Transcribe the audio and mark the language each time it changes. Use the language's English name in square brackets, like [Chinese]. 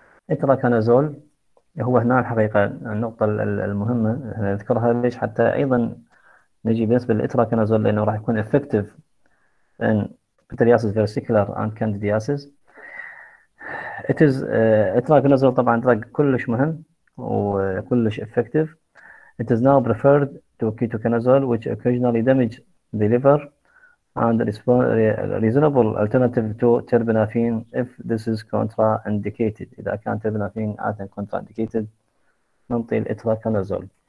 [Arabic] إتراكانازول هو هنا الحقيقة النقطة المهمة نذكرها، ليش؟ حتى أيضا نجي بالنسبة للإتراكانازول لأنه راح يكون [English] effective in pityriasis versicolor and candidiasis. It is [Arabic] إتراكانازول طبعا drug كلش مهم وكلش effective. [English] It is now preferred to ketoconazole which occasionally damage the liver and reasonable alternative to terbinafine if this is contraindicated. [Arabic] إذا كان terbinafine عادة contraindicated نعطي الإتراكانازول.